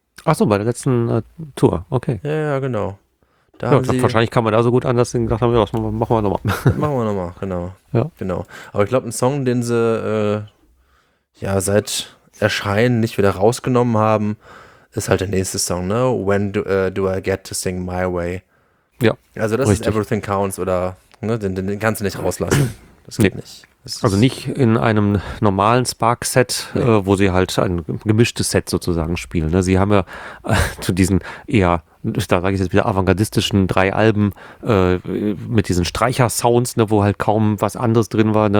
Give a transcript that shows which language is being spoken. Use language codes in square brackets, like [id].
[de] Ach so, bei der letzten Tour, okay. Ja, genau. Wahrscheinlich kann man da so gut an, dass sie gedacht haben, ja, machen wir nochmal. Machen wir nochmal, genau. Ja. Genau. Aber ich glaube, ein Song, den sie seit Erscheinen nicht wieder rausgenommen haben, ist halt der nächste Song, ne? [en] When do I get to sing my way? [de] Ja. Also das richtig. Ist Everything Counts oder ne, den kannst du nicht rauslassen. Das geht nicht. Also nicht in einem normalen Spark-Set, wo sie halt ein gemischtes Set sozusagen spielen. Ne? Sie haben ja zu diesen eher, da sage ich jetzt wieder, avantgardistischen drei Alben mit diesen Streicher-Sounds, ne, wo halt kaum was anderes drin war, ne?